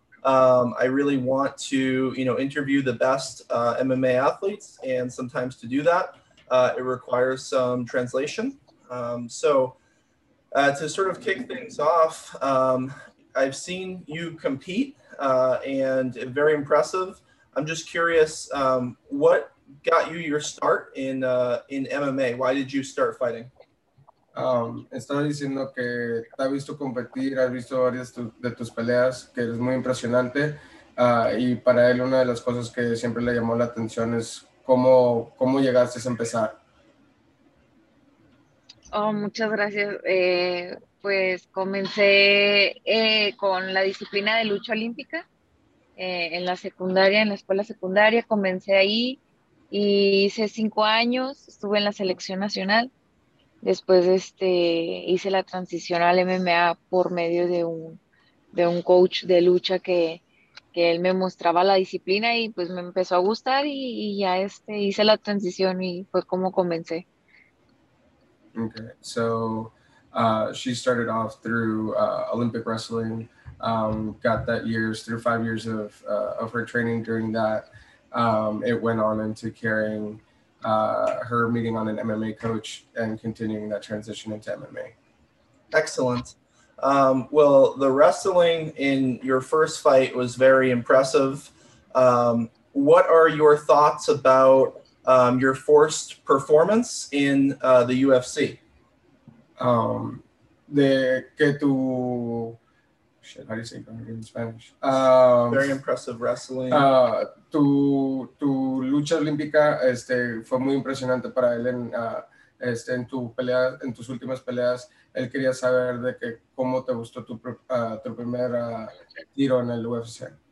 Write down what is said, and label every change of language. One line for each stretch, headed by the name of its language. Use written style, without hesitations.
English: I really want to, you know, interview the best MMA athletes, and sometimes to do that, it requires some translation. To sort of kick things off, I've seen you compete, and very impressive. I'm just curious, what got you your start in MMA? Why did you start fighting?
Spanish: Estaba diciendo que te has visto competir, has visto varias de tus peleas, que eres muy impresionante, y para él una de las cosas que siempre le llamó la atención es cómo llegaste a empezar. Oh, muchas gracias. Pues comencé con la disciplina de lucha olímpica en la secundaria, en la escuela secundaria. Comencé ahí y hice 5 años, estuve en la selección nacional. Después hice la transición al MMA por medio de un coach de lucha que él me mostraba la disciplina y pues me empezó a gustar y ya hice la transición y fue como comencé.
English: Okay, so she started off through Olympic wrestling, got that years through 5 years of her training during that. It went on into carrying her meeting on an MMA coach and continuing that transition into MMA. Excellent. Well, the wrestling in your first fight was very impressive. What are your thoughts about your forced performance in the UFC? De que tu, shit, how do you say that in Spanish? Very impressive wrestling.
Spanish: Tu lucha olímpica fue muy impresionante para él en tu pelea, en tus últimas peleas. Él quería saber de que cómo te gustó tu primer tiro en el UFC.